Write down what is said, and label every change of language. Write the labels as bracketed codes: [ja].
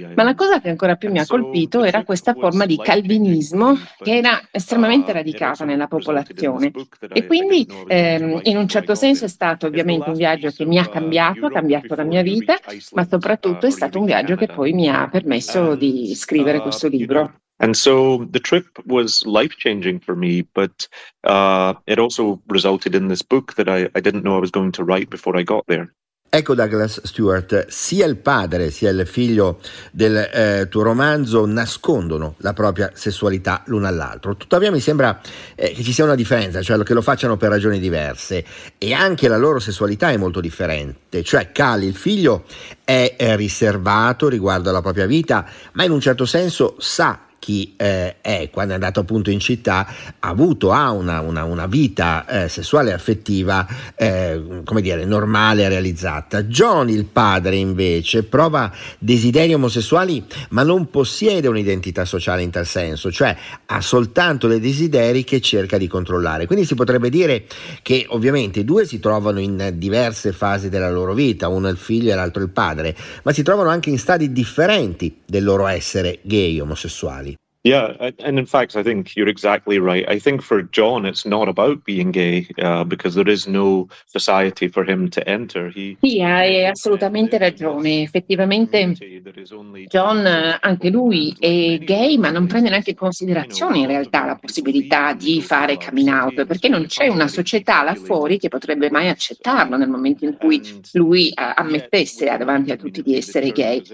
[it] Ma la cosa che ancora più mi ha colpito era questa forma di calvinismo che era estremamente radicata nella popolazione, e quindi in un certo senso è stato ovviamente un viaggio che mi ha cambiato la mia vita, ma soprattutto è stato un viaggio che poi mi ha permesso di scrivere questo libro. [en] And so the trip was life-changing for me, but it also resulted in this book that I didn't know I was going to write before I got there. [it] Ecco, Douglas Stewart, sia il padre sia il figlio del tuo romanzo nascondono la propria sessualità l'uno all'altro. Tuttavia mi sembra che ci sia una differenza, cioè che lo facciano per ragioni diverse, e anche la loro sessualità è molto differente. Cioè Cali, il figlio, è riservato riguardo alla propria vita, ma in un certo senso sa chi è, quando è andato appunto in città, ha una vita sessuale e affettiva, come dire, normale, realizzata. John, il padre, invece, prova desideri omosessuali, ma non possiede un'identità sociale in tal senso, cioè ha soltanto dei desideri che cerca di controllare. Quindi si potrebbe dire che ovviamente i due si trovano in diverse fasi della loro vita, uno è il figlio e l'altro il padre, ma si trovano anche in stadi differenti del loro essere gay, omosessuali. [en] Yeah, and in fact, I think you're exactly right. I think for John, it's not about being gay, because there is no society for him to enter. [it] Sì, hai assolutamente ragione. Effettivamente, John, anche lui, è gay, ma non prende neanche in considerazione in realtà la possibilità di fare coming out, perché non c'è una società là fuori che potrebbe mai accettarlo nel momento in cui lui ammettesse davanti a tutti di essere gay.